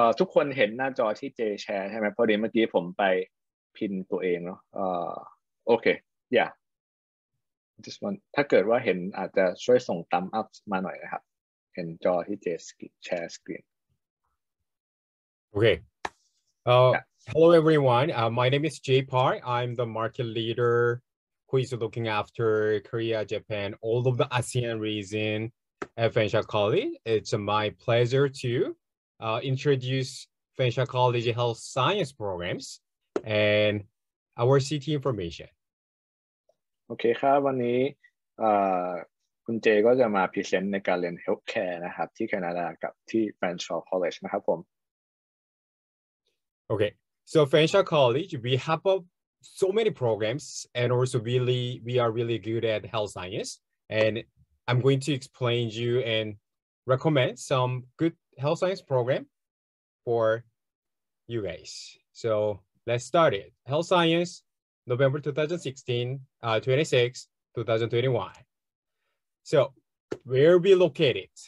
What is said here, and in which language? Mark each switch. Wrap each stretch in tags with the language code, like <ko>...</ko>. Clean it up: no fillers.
<th>ทุกคนเห็นหน้าจอที่เจแชร์ใช่ไหมพอดีเมื่อกี้ผมไปพินตัวเองเนาะโอเค</th> <en>yeah. Just one.</en> <th>ถ้าเกิดว่าเห็นอาจจะช่วยส่ง thumb up มาหน่อยนะครับเห็นจอที่เจแชร์สกรีน</th> <en>โอเค Hello everyone my name is Jay Park I'm the market leader who is looking after Korea Japan all of the ASEAN region at Fanshawe College it's my pleasure to introduce Fanshawe College health science programs and our CT information</en> <th>โอเคครับวันนี้คุณเจก็จะมาพรีเซนต์ในการเรียนเฮลท์แคร์นะครับที่แคนาดากับที่ Fanshawe College นะครับผม</th> <en>โอเค so Fanshawe College we have so many programs and also really we are really good at health science and I'm going to explain you and recommend some good health science program for you guys so let's start it health scienceNovember 2016, 26, 2021. So, where are we located?</en>